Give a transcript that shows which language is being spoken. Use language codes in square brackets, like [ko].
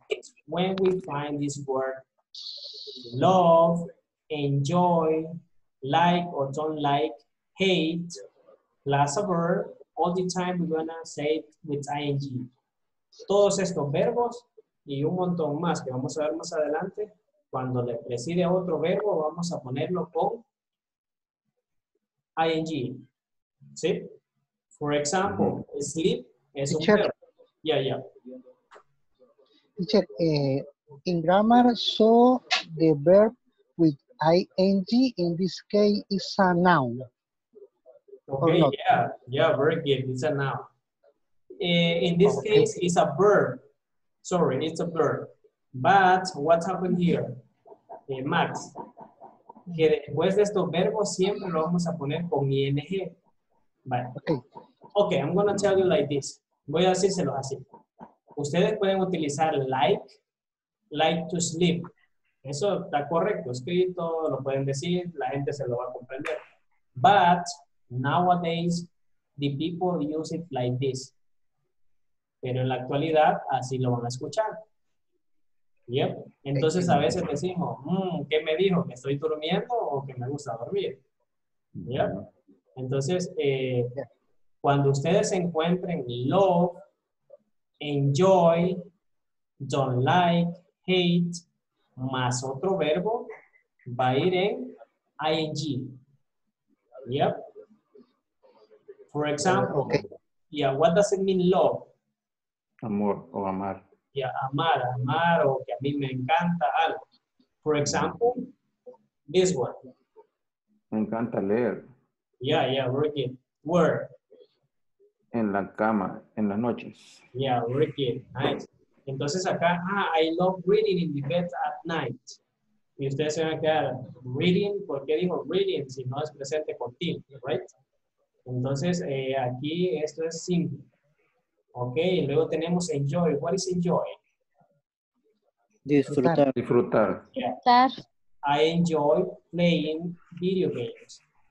[en] It's when we find this word, love, enjoy, like or don't like, hate, plus a verb, all the time we're gonna say it with ing. [es] Todos estos verbos y un montón más que vamos a ver más adelante, cuando le preside otro verbo, vamos a ponerlo con ing, ¿sí? [en] For example, sleep [es] es un verbo. [en] Yeah, yeah. Teacher, in grammar, so the verb with ing in this case is a noun. Okay, yeah, yeah, very good. It's a noun. In this case, it's a verb. Sorry, it's a verb. But what happened here? [es] Max, que después de estos verbos siempre lo vamos a poner con ing. Vale. [en] Okay. Okay, I'm going to tell you like this. [es] Voy a decírselo así. Ustedes pueden utilizar [en] like to sleep. [es] Eso está correcto, escrito, lo pueden decir, la gente se lo va a comprender. [en] But nowadays, the people use it like this. [es] Pero en la actualidad, así lo van a escuchar. Yep. Entonces a veces decimos, ¿qué me dijo? ¿Que estoy durmiendo o que me gusta dormir? Yep. Entonces, cuando ustedes encuentren love, enjoy, don't like, hate, más otro verbo, va a ir en ing. Yep. [en] For example, okay. Yeah, what does it mean love? [es] Amor o amar. Yeah, amar, amar o que a mí me encanta algo. [en] For example, this one. [es] Me encanta leer. [en] Yeah, yeah, very good. Word. [es] En la cama, en las noches. [en] Yeah, very good. Nice. [es] Entonces acá, [en] I love reading in the bed at night. [es] Y ustedes se van a quedar, reading, ¿por qué digo reading? Si no es presente continuo, right? Entonces, aquí esto es simple. Ok, y luego tenemos enjoy. [en] What is enjoy? [es] Disfrutar. Disfrutar. Disfrutar. [en] Yeah. I enjoy playing video games.